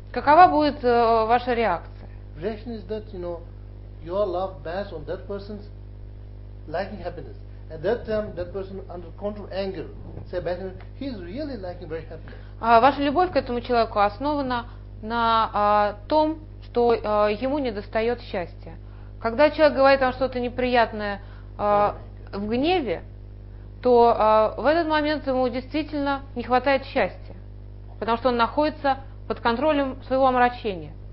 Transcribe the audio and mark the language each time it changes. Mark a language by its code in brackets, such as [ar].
[ru] Какова будет ваша реакция? [en] Reaction is that, you know, your love based on that person's lacking happiness. At that time, that person under control anger, say bad thing, he is really lacking very happiness. [ru] Ваша любовь к этому человеку основана на том, что ему недостает счастья. Когда человек говорит вам что-то неприятное в гневе, то в этот момент ему действительно не хватает счастья, потому что он находится под контролем своего омрачения.